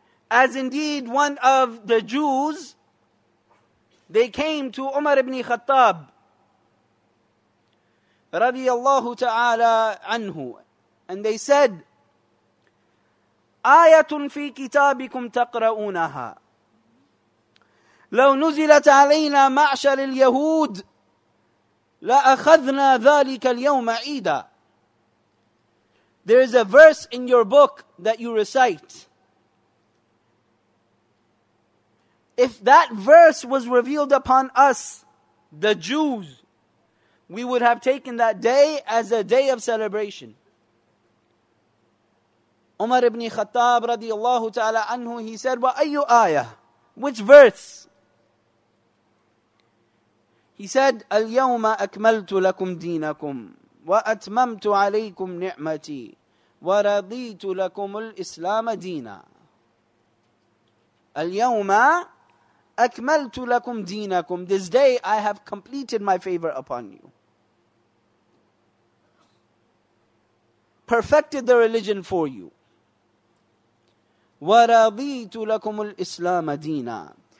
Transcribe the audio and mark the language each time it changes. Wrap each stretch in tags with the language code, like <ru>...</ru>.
<en>as indeed one of the Jews, they came to Umar ibn Khattab radiyallahu ta'ala anhu, and they said,</en> <ar>"Ayatun fi kitabikum taqra'unaha. لو نزلت علينا معشر اليهود لأخذنا ذلك اليوم عيدا."</ar> <en>There is a verse in your book that you recite. If that verse was revealed upon us, the Jews, we would have taken that day as a day of celebration. Umar ibn Khattab radiallahu ta'ala anhu, he said,</en> <ar>وَأَيُّ آيَةٌ,</ar> <en>which verse? He said,</en> <ar>الْيَوْمَ أَكْمَلْتُ لَكُمْ دِينَكُمْ وَأَتْمَمْتُ عَلَيْكُمْ نِعْمَتِي وَرَضِيتُ لَكُمُ الْإِسْلَامَ دِينًا. الْيَوْمَ أَكْمَلْتُ لَكُمْ دِينَكُمْ.</ar> <en>This day I have completed my favor upon you, perfected the religion for you.</en> <ar>وَرَضِيتُ لَكُمُ الْإِسْلَامَ دِينًا.</ar>